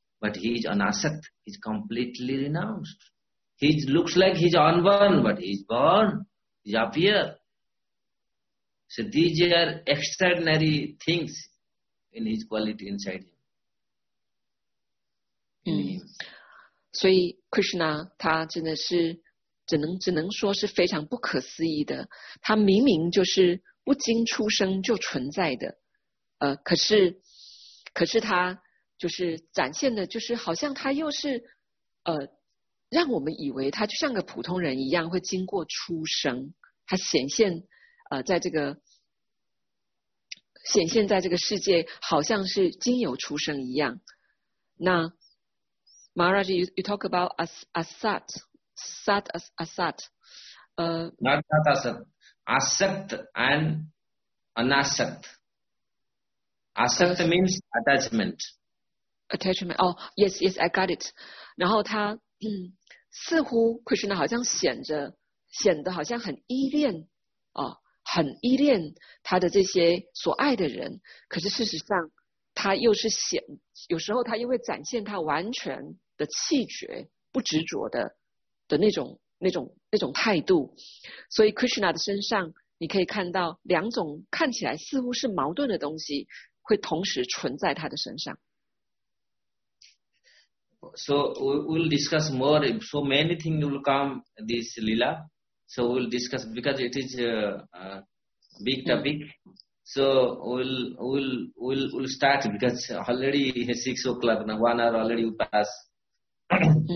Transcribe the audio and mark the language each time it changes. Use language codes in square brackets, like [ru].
[en] But he is anasakt, he is completely renounced. He looks like he is unborn, but he is born, he is appear. So these are extraordinary things in his quality inside him. [zh] 所以 Krishna 他真的是只能说是非常不可思议的，他明明就是不经出生就存在的，可是他就是展现的，就是好像他又是让我们以为他就像个普通人一样会经过出生，他显现在这个世界好像是经由出生一样。 [en] 那 Maharaj, you talk about asat, sat as asat, not asat, asat and anasat. Asat means attachment. Attachment. Oh, yes, yes, I got it. [zh] 然后他似乎 Krishna 好像显得好像很依恋很依恋他的这些所爱的人。可是事实上，他又是显有时候他又会展现他完全的气绝，不执着的那种态度。所以 Krishna 的身上，你可以看到两种看起来似乎是矛盾的东西，会同时存在他的身上。 [en] So we'll discuss more. So many things will come this Lila. So we'll discuss because it is a big topic. So we'll start because already 6 o'clock now, 1 hour already passed.